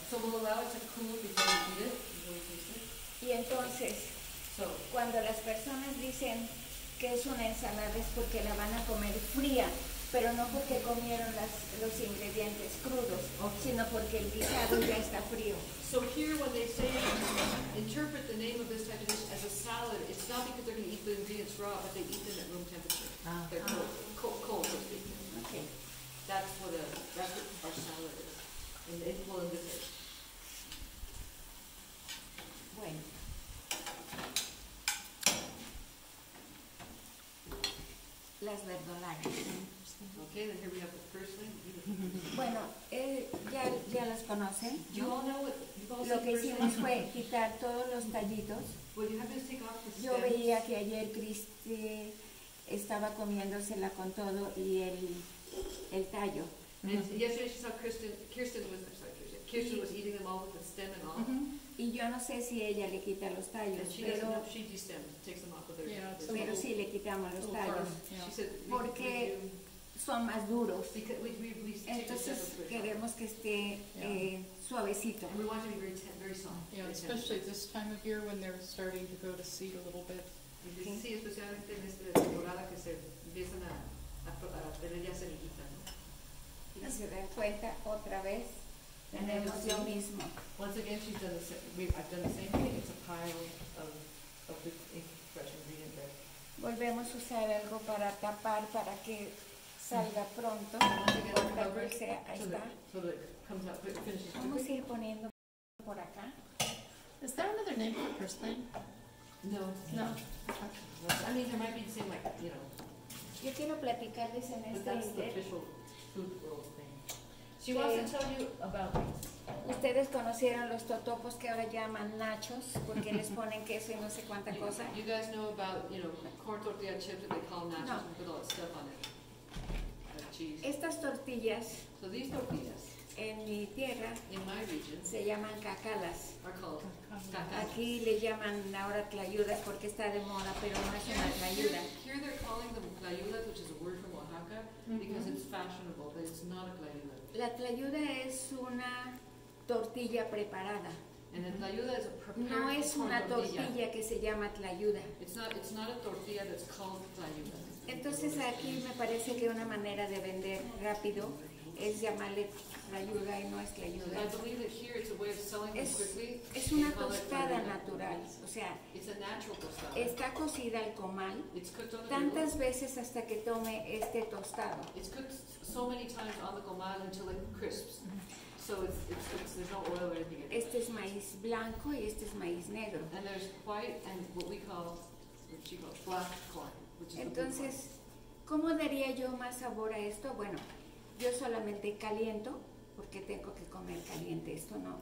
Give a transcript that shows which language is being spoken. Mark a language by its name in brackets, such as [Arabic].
[English] So we'll allow it to cool before we eat it. Really, [Spanish] y entonces, [English] so, [Spanish] cuando las personas dicen que es una ensalada es porque la van a comer fría, pero no porque comieron los ingredientes crudos, sino porque el guisado ya está frío. [English] So here when they say, interpret the name of this type of dish as a salad, it's not because they're going to eat the ingredients raw, but they eat them at room temperature. Ah. They're cold, so to speak. Okay. That's what our salad is. And they pull in the dish. [Spanish] Bueno. las verdolagas. [English] Okay, then here we have the purslane. [Spanish] Bueno, ya las conocen. [English] You all know what you've all seen. [Spanish] Lo que hicimos fue quitar todos los tallitos. [English] Well, you have to take off the stems. [Spanish] Yo veía que ayer Cristi estaba comiéndosela con todo y el tallo. [English] And yesterday she saw Kirsten was eating them all with the stem and all. Mm-hmm. [Spanish] Y yo no sé si ella le quita los tallos. [English] And she doesn't know if she de-stems, takes them off with her. Yeah, [Spanish] pero [English] little, [Spanish] sí le quitamos los tallos. [English] Yeah. She said, [Spanish] porque son más duros. Entonces queremos que esté suavecito. [English] And we want to be very soft. Yeah, especially this time of year when they're starting to go to seed a little bit. [Spanish] Sí, especialmente en esta temporada que se empiezan a tener ya semillita, ¿no? Y se dan cuenta otra vez. [English] And then it's [Spanish] yo mismo. [English] Once again, she's done the same. I've done the same thing. It's a pile of the fresh ingredient there. [Spanish] Volvemos a usar algo para tapar para que salga pronto. [English] So that it comes out. [Spanish] Vamos a ir poniendo por acá. [English] Is there another name for purslane? No. No. Okay. I mean, there might be the same, like, you know. [Spanish] Yo quiero platicarles en [English] but [Spanish] este. [English] That's the official food world thing. She wants to tell you about me. [Spanish] Ustedes conocieron los totopos que ahora llaman nachos porque les ponen queso y no sé cuánta cosa. [English] You guys know about, you know, corn tortilla chips that they call nachos. No. And put all that stuff on it. [Spanish] Estas tortillas, [English] so these tortillas [Spanish] en mi tierra [English] in my region, [Spanish] se llaman cacalas. [English] Are called cacalas. [Spanish] Aquí le llaman ahora tlayudas porque está de moda, pero no es una tlayuda. [English] Here they're calling them tlayudas, which is a word from Oaxaca, mm-hmm. because it's fashionable, but it's not a tlayuda. [Spanish] La tlayuda es una tortilla preparada. [English] And the tlayuda is a prepared [Spanish] no es una tortilla. [English] Tortilla [Spanish] que se llama tlayuda. [English] It's not a tortilla that's called tlayuda. [Spanish] Entonces aquí me parece que una manera de vender rápido es llamarle tlayuda y no es tlayuda. [English] I believe that here it's a way of selling them quickly. [Spanish] Es una tostada natural, o sea, [English] it's a natural tostada. [Spanish] Está cocida al comal. [English] It's cooked on the [Spanish] tantas table. Veces hasta que tome este tostado. [English] It's cooked so many times on the comal until it crisps. So it's there's no oil or anything. [Spanish] Este es maíz blanco y este es maíz negro. [English] And there's white and what we call, what she calls black corn. [Spanish] Entonces, ¿cómo daría yo más sabor a esto? Bueno, yo solamente caliento, porque tengo que comer caliente esto, ¿no?